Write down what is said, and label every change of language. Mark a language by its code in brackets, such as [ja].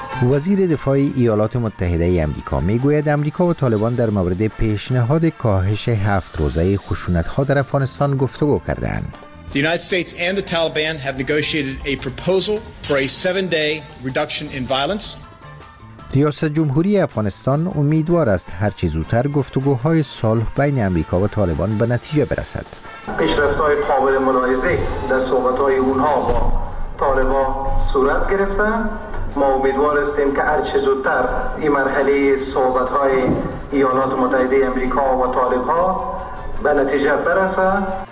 [fa] وزیر دفاع ایالات متحده ای امریکا میگوید امریکا و طالبان در مورد پیشنهاد کاهش 7 روزه خشونت‌ها در افغانستان گفتگو کردند. [en] The United States and the Taliban have negotiated a proposal for a 7-day reduction in violence. [fa] ریاست جمهوری افغانستان امیدوار است هر چه زودتر گفتگوهای صلح بین امریکا و طالبان به نتیجه برسد. پیشرفت‌های قابل ملاحظه در صحبت‌های اونها با طالبان صورت گرفته. ما امیدوار هستیم که هر چه زودتر این مرحله صحبت‌های ایالات متحده آمریکا و طالب‌ها به نتیجه برسد.